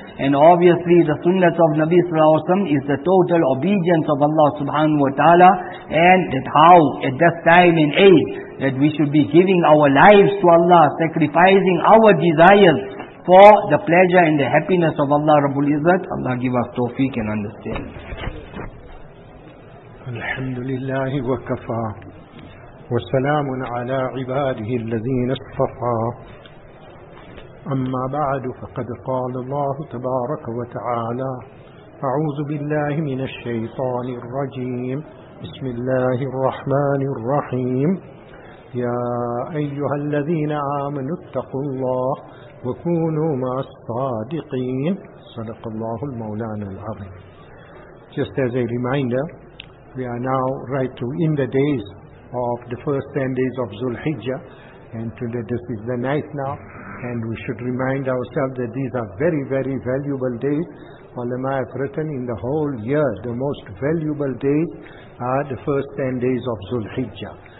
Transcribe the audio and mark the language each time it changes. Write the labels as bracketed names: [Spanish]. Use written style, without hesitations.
[English] And obviously the sunnah of Nabi sallallahu alaihi wasallam is the total obedience of Allah subhanahu wa ta'ala. And that how at this time and age that we should be giving our lives to Allah, sacrificing our desires for the pleasure and the happiness of Allah Rabbul Izzat. Allah give us tawfiq and understand. [Arabic] الحمد لله وكفى وسلام على عباده الذين اصطفى أما بعد فقد قال الله تبارك وتعالى أعوذ بالله من الشيطان الرجيم بسم الله الرحمن الرحيم يا أيها الذين آمنوا اتقوا الله وكونوا مع الصادقين صدق الله المولانا العظيم. [English] Just as a reminder, we are now right to in the days of the first 10 days of Zulhijjah, and today this is the night now, and we should remind ourselves that these are very, very valuable days. Ulama have written in the whole year, the most valuable days are the first 10 days of Zulhijjah.